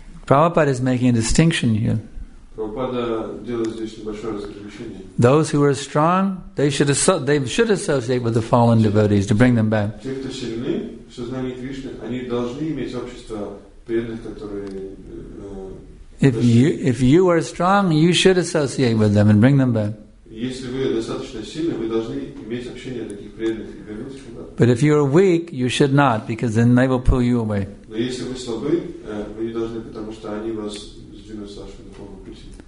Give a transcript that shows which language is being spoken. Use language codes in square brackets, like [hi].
[en] Prabhupada is making a distinction here. Those who are strong, they should associate with the fallen devotees to bring them back. [ru] Сильны, Кришны, [en] If you are strong, you should associate with them and bring them back. [ru] Если вы достаточно сильны, вы должны иметь общение таких преданных и вернуть их назад. [en] But if you are weak, you should not, because then they will pull you away. [ru] Но если вы слабы, вы не должны, потому что они вас сдвинут с вашего духовного пути.